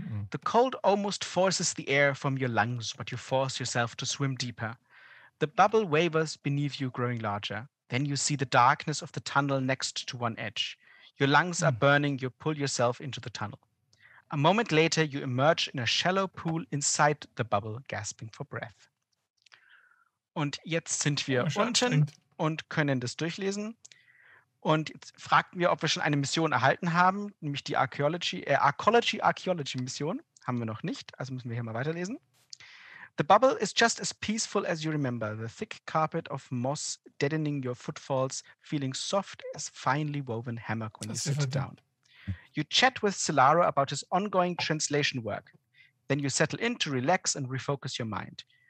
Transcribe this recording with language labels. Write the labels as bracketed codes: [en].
[en] The cold almost forces the air from your lungs, but you force yourself to swim deeper. The bubble wavers beneath you, growing larger. Then you see the darkness of the tunnel next to one edge. Your lungs are burning, you pull yourself into the tunnel. A moment later, you emerge in a shallow pool inside the bubble, gasping for breath. [de] Und jetzt sind wir unten und können das durchlesen. Und jetzt fragten wir, ob wir schon eine Mission erhalten haben, nämlich die Archaeology-Mission. Haben wir noch nicht, also müssen wir hier mal weiterlesen. [en] The bubble is just as peaceful as you remember. The thick carpet of moss deadening your footfalls, feeling soft as finely woven hammock when you sit down. You chat with Solaro about his ongoing translation work. Then you settle in to relax and refocus your mind.